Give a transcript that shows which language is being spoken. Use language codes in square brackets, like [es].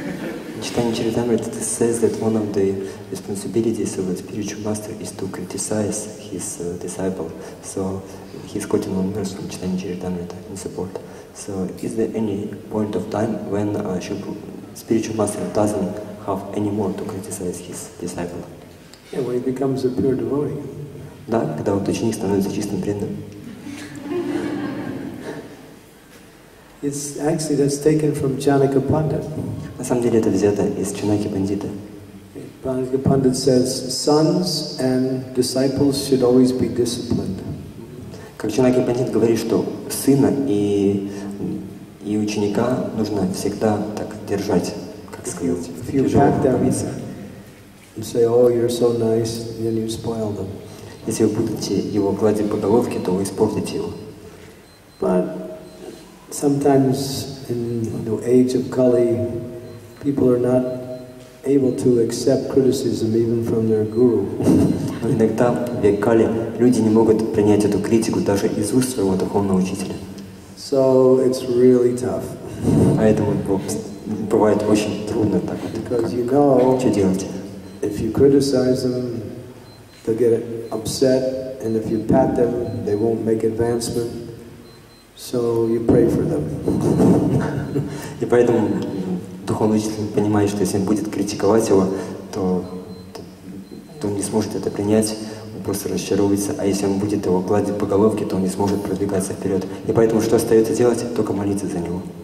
[en] It says that one of the responsibilities of a spiritual master is to criticize his disciple. So he's quoting one verse from Chaitanya Charitamrita in support. So is there any point of time when a spiritual master doesn't have any more to criticize his disciple? Yeah, when he becomes a pure devotee. [ru] Да, когда ученик становится чистым преданным. [en] It's actually that's taken from Janaka Pandit. [ru] На самом деле это взято из Чанаки Пандита. [en] Janaka Pandit says, sons and disciples should always be disciplined. [ru] Как Чанаки Пандит говорит, что сына и ученика нужно всегда так держать, как скрыл. [en] If you pat them and say, oh, you're so nice, then you spoil them. [ru] Если вы будете его гладить по головке, то вы испортите его. [en] But sometimes in the age of Kali, people are not able to accept criticism even from their guru. [ru] Иногда в веке Кали люди не могут принять эту критику даже из уст своего духовного учителя. [en] So it's really tough. [ru] Поэтому бывает очень трудно так. [en] Because you know, if you criticize them, they'll get upset, and if you pat them, they won't make advancement. So you pray for them. [ru] И поэтому духовный учитель понимает, что если он будет критиковать его, то он не сможет это принять, он просто расчаруется. А если он будет его гладить по головке, то он не сможет продвигаться вперед. И поэтому что остается делать? Только молиться за него.